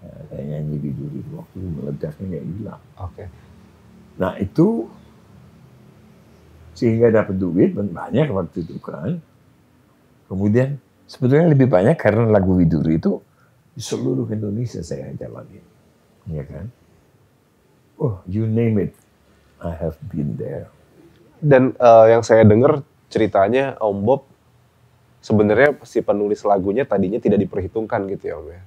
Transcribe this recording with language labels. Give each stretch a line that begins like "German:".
Indonesian: Saya nyanyi Widuri waktu meledaknya nggak gila. Nah itu sehingga dapat duit banyak waktu itu kan. Kemudian sebetulnya lebih banyak karena lagu Widuri itu di seluruh Indonesia saya jalanin. Iya kan?
English: Oh, you name it, I have been there.
Indonesian: Dan yang saya dengar ceritanya Om Bob sebenarnya si penulis lagunya tadinya tidak diperhitungkan gitu ya, Om ya.